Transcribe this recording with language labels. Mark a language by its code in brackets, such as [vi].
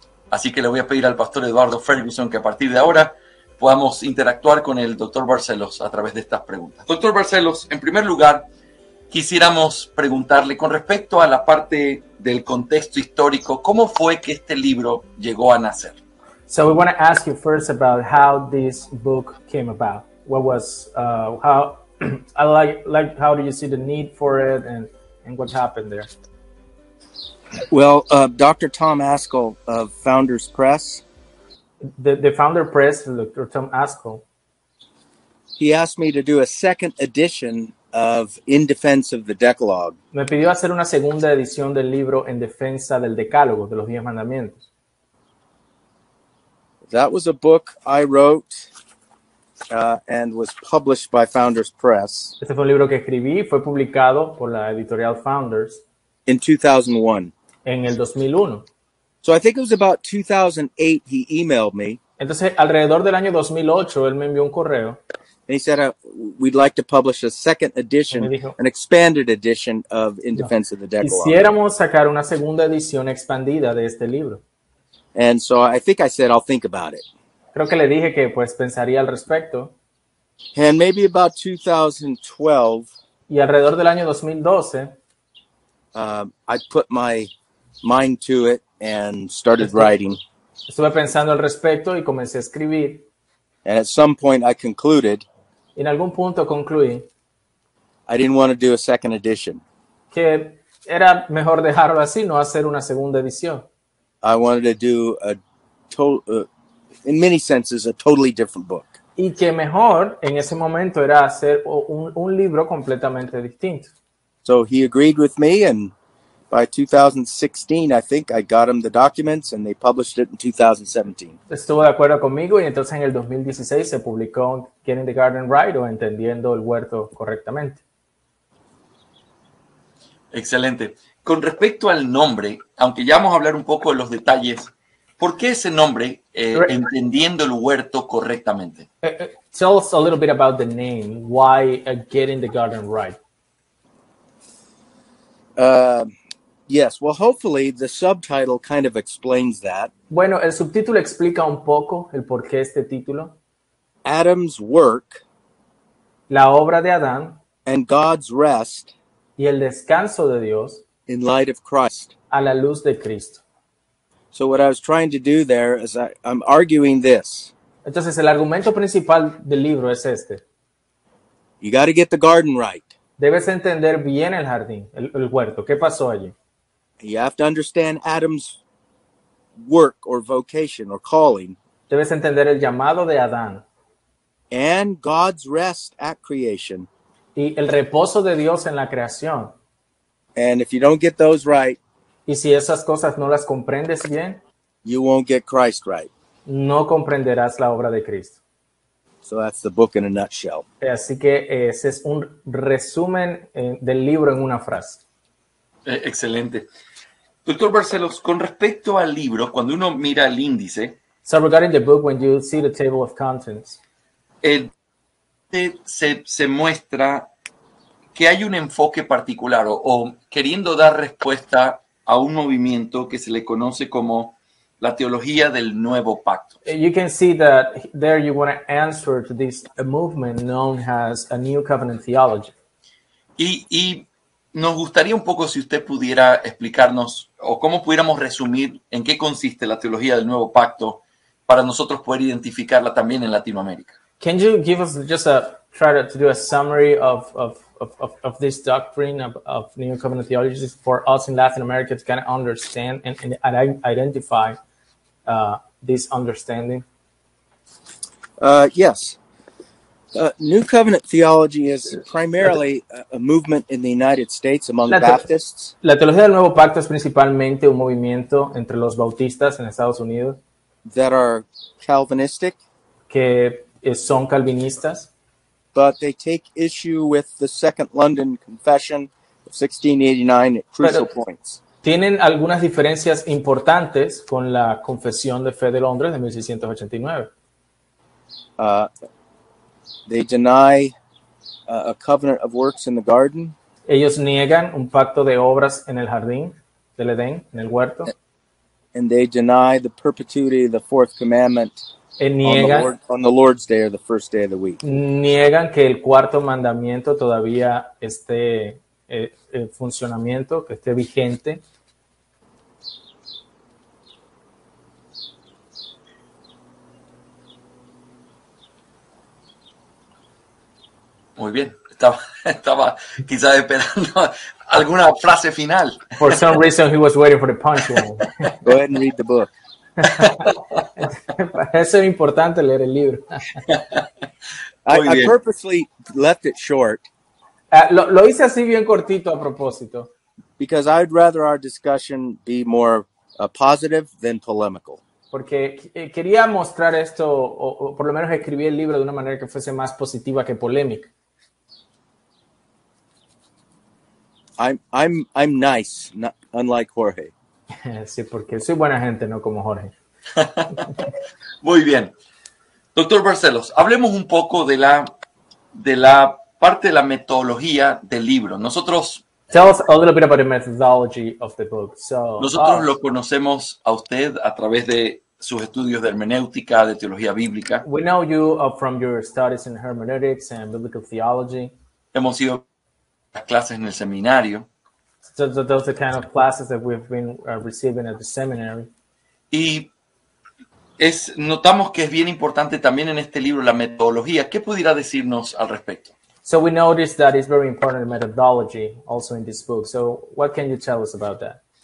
[es] Así que le voy a pedir al pastor Eduardo Ferguson que a partir de ahora podamos interactuar con el doctor Barcellos a través de estas preguntas. Doctor Barcellos, en primer lugar, quisiéramos preguntarle con respecto a la parte del contexto histórico, ¿cómo fue que este libro llegó a nacer? [en] So we want to ask you first about how this book came about. What was how do you see the need for it and what happened there? Well, Dr. Tom Askell of Founders Press. The founder press, Dr. Tom Askell. He asked me to do a second edition of In Defense of the Decalogue. [es] Me pidió hacer una segunda edición del libro En Defensa del Decálogo, de los 10 mandamientos. [en] That was a book I wrote and was published by Founders Press. [es] Este fue un libro que escribí, fue publicado por la editorial Founders. [en] In 2001. [es] En el 2001. [en] So I think it was about 2008 he emailed me. [es] Entonces, alrededor del año 2008, él me envió un correo. [en] And he said, we'd like to publish a second edition, an expanded edition of In Defense of the Decalogue. [es] Quisiéramos sacar una segunda edición expandida de este libro. [en] And so I think I said, I'll think about it. [es] Creo que le dije que, pues, pensaría al respecto. [en] And maybe about 2012. [es] Y alrededor del año 2012. [en] I put my mind to it and started writing. [es] Estuve pensando al respecto y comencé a escribir. [en] And at some point I concluded. [es] En algún punto concluí. [en] I didn't want to do a second edition. [es] Que era mejor dejarlo así, no hacer una segunda edición. [en] I wanted to do in many senses, a totally different book. [es] Y que mejor en ese momento era hacer un libro completamente distinto. [en] So he agreed with me, and by 2016, I think I got him the documents, and they published it in 2017. [es] Estuvo de acuerdo conmigo, y entonces en el 2016 se publicó Getting the Garden Right, o Entendiendo el Huerto Correctamente. Excelente. Con respecto al nombre, aunque ya vamos a hablar un poco de los detalles, ¿por qué ese nombre, Entendiendo el Huerto Correctamente? [en] Tell us a little bit about the name. Why Getting the Garden Right? Yes, well, hopefully the subtitle kind of explains that. [es] Bueno, el subtítulo explica un poco el porqué este título. [en] Adam's work. [es] La obra de Adán. [en] And God's rest. [es] Y el descanso de Dios. [en] In light of Christ. [es] A la luz de Cristo. [en] So what I was trying to do there is I'm arguing this. [es] Entonces, el argumento principal del libro es este. [en] You got to get the garden right. [es] Debes entender bien el jardín, el huerto. ¿Qué pasó allí? [en] You have to understand Adam's work or vocation or calling. [es] Debes entender el llamado de Adán. [en] And God's rest at creation. [es] Y el reposo de Dios en la creación. [en] And if you don't get those right. [es] Y si esas cosas no las comprendes bien. [en] You won't get Christ right. [es] No comprenderás la obra de Cristo. [en] So that's the book in a nutshell. [es] Así que ese es un resumen del libro en una frase. Excelente. Doctor Barcelos, con respecto al libro, cuando uno mira el índice. [en] So regarding the book, when you see the table of contents. [es] Se muestra que hay un enfoque particular o queriendo dar respuesta a un movimiento que se le conoce como la teología del nuevo pacto. [en] You can see that there you want to answer to this movement known as a new covenant theology. [es] Y nos gustaría un poco si usted pudiera explicarnos o cómo pudiéramos resumir en qué consiste la teología del nuevo pacto para nosotros poder identificarla también en Latinoamérica. [en] Can you give us just try to do a summary of this doctrine of new covenant theology for us in Latin America to kind of understand and identify this understanding? Yes. New covenant theology is primarily a movement in the United States among Baptists. [es] La teología del nuevo pacto es principalmente un movimiento entre los bautistas en Estados Unidos. [en] That are Calvinistic. [es] Que son calvinistas. [en] But they take issue with the Second London Confession of 1689 at crucial points. [es] tienen algunas diferencias importantes con la Confesión de Fe de Londres de 1689. [en] They deny a covenant of works in the garden. [es] Ellos niegan un pacto de obras en el jardín del Edén, en el huerto. [en] And they deny the perpetuity of the fourth commandment on the Lord's day or the first day of the week. [es] Niegan que el cuarto mandamiento todavía esté en funcionamiento, que esté vigente. Muy bien. Estaba quizás esperando alguna frase final. [en] For some reason, he was waiting for the punchline. Go ahead and read the book. [es] Parece importante leer el libro. [en] I purposely left it short. [es] Lo hice así bien cortito a propósito. [en] Because I'd rather our discussion be more positive than polemical. [es] Porque quería mostrar esto, o por lo menos escribí el libro de una manera que fuese más positiva que polémica. [en] I'm nice, not, unlike Jorge. [es] Sí, porque soy buena gente, no como Jorge. Muy bien. Doctor Barcellos, hablemos un poco de la parte de la metodología del libro. Nosotros... [en] Tell us a little bit about the methodology of the book. So, [es] nosotros lo conocemos a usted a través de sus estudios de hermenéutica, de teología bíblica. [en] We know you from your studies in hermeneutics and biblical theology. [es] Hemos sido... clases en el seminario. [en] So those are the kind of classes that we've been receiving at the seminary. [es] Y es, notamos que es bien importante también en este libro la metodología. ¿Qué pudiera decirnos al respecto? [en] So we noticed that it's very important the methodology also in this book. So what can you tell us about that?